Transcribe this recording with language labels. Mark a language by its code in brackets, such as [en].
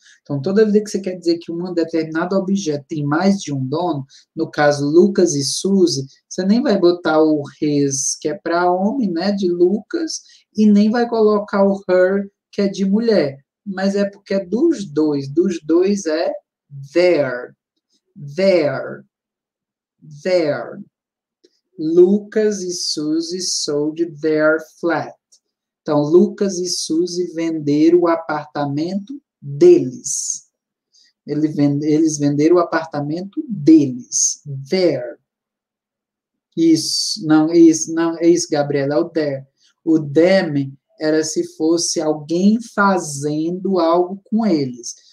[pt] Então, toda vez que você quer dizer que um determinado objeto tem mais de um dono, no caso Lucas e Suzy, você nem vai botar o his, que é para homem, né, de Lucas, e nem vai colocar o her, que é de mulher. Mas é porque é dos dois é there, there, there. [en] Lucas e Suzy sold their flat. [pt] Então, Lucas e Suzy venderam o apartamento deles. Eles venderam o apartamento deles. There. Isso, não, isso, não, é isso, Gabriela, é o there. O them era se fosse alguém fazendo algo com eles.